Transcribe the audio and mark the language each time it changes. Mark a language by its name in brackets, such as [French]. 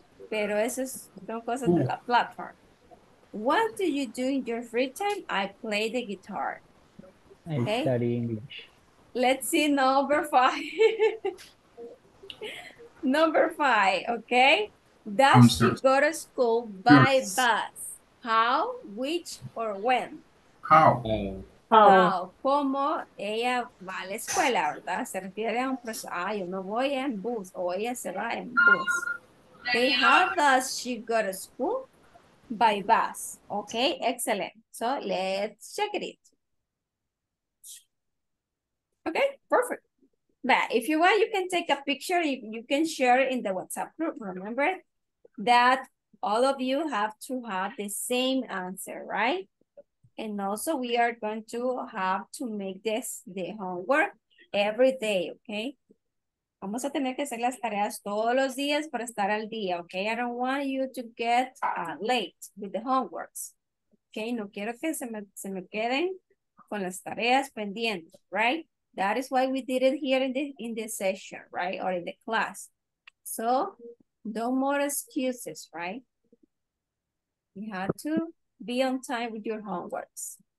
[Spanish] Pero eso es son cosas de la platform. [English] What do you do in your free time? I play the guitar. Okay? I study English. Let's see number five. Number five, okay? Does she go to school by bus? How, which, or when? How? [Spanish] ¿Cómo ella va a la escuela, verdad? Se refiere a un proceso. Ah, yo no voy en bus. O ella se va en bus. [English] Okay, how does she go to school? By bus. Okay, excellent. So let's check it. Okay, perfect. But if you want, you can take a picture. You can share it in the WhatsApp group. Remember that all of you have to have the same answer, right? And also we are going to have to make this the homework every day, okay? [Spanish] Vamos a tener que hacer las tareas todos los días para estar al día, okay? [English] I don't want you to get late with the homeworks, okay? [Spanish] No quiero que se me queden con las tareas pendientes, right? [English] That is why we did it here in the session, right? Or in the class. So, no more excuses, right? You have to be on time with your homeworks.